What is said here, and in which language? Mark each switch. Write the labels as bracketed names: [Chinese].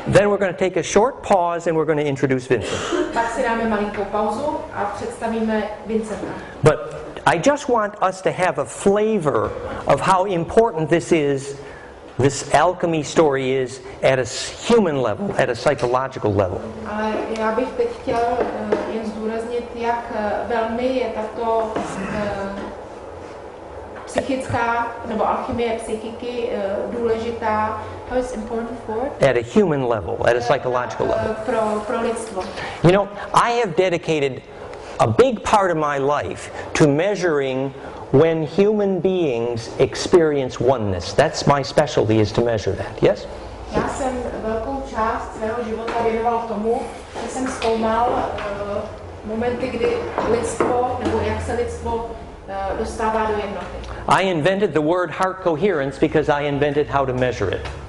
[English] Then we're going to take a short pause and we're going to introduce Vincent. [Czech] Pak si dáme malinkou pauzu a představíme Vincenta. [English] But I just want us to have a flavor of how important this is, this alchemy story is at a human level, at a psychological level. [Czech] Ale já bych teď chtěl jen zdůraznit, jak velmi je tato psychická, nebo alchymie psychiky důležitá. [English] How is important for? At a human level, at a psychological level. [Czech] Pro lidstvo. [English] You know, I have dedicated a big part of my life to measuring when human beings experience oneness. That's my specialty, is to measure that. Yes? [Czech] Já jsem velkou část svého života věnoval tomu, že jsem zkoumal momenty, kdy lidstvo, nebo jak se lidstvo dostává do jednoty. [English] I invented the word heart coherence because I invented how to measure it.